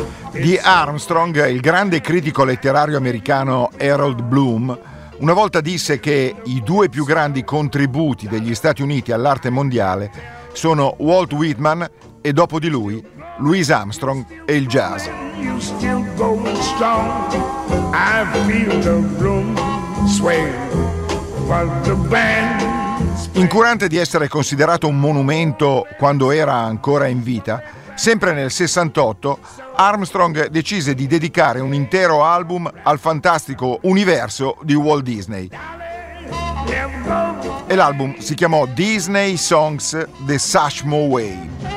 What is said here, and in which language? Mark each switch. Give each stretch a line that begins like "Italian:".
Italian: Di Armstrong, il grande critico letterario americano Harold Bloom una volta disse che i due più grandi contributi degli Stati Uniti all'arte mondiale sono Walt Whitman e, dopo di lui, Louis Armstrong e il jazz.
English: You still going strong, I feel the room swing while the band.
Italian: Incurante di essere considerato un monumento quando era ancora in vita, sempre nel 68 Armstrong decise di dedicare un intero album al fantastico universo di Walt Disney. E l'album si chiamò Disney Songs The Sashmo Way.